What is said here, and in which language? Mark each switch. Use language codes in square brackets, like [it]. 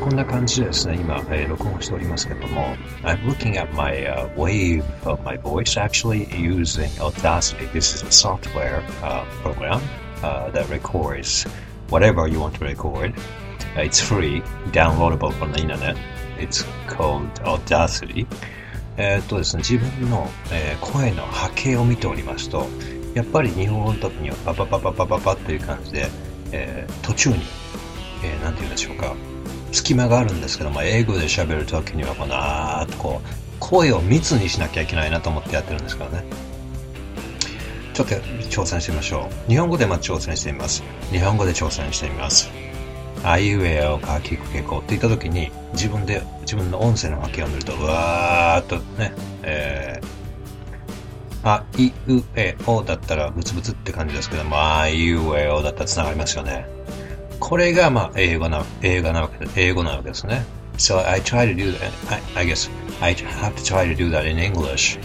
[ja] こんな感じですね、今、録音しておりますけども、 [en] I'm looking at my wave of my voice, actually using Audacity. This is a software program that records whatever you want to record. It's free, downloadable from the internet. It's called Audacity. [ja] ですね、自分の、声の波形を見ておりますと、やっぱり日本語の時にはパパパパパパパっていう感じで、途中に、なんて言うんでしょうか、隙間があるんですけども、英語で喋る時にはこのあーっとこう声を密にしなきゃいけないなと思ってやってるんですけどね。ちょっと挑戦してみましょう。日本語でまず挑戦してみます。日本語で挑戦してみます。あいうえおかきくけこって言った時に、自分の音声の波形を見るとわーっとね、あいうえおだったらブツブツって感じですけども、あいうえおだったらつながりますよね。これがまあ英語なわけですね。 [en] So I try to do that. I have to try to do that in English.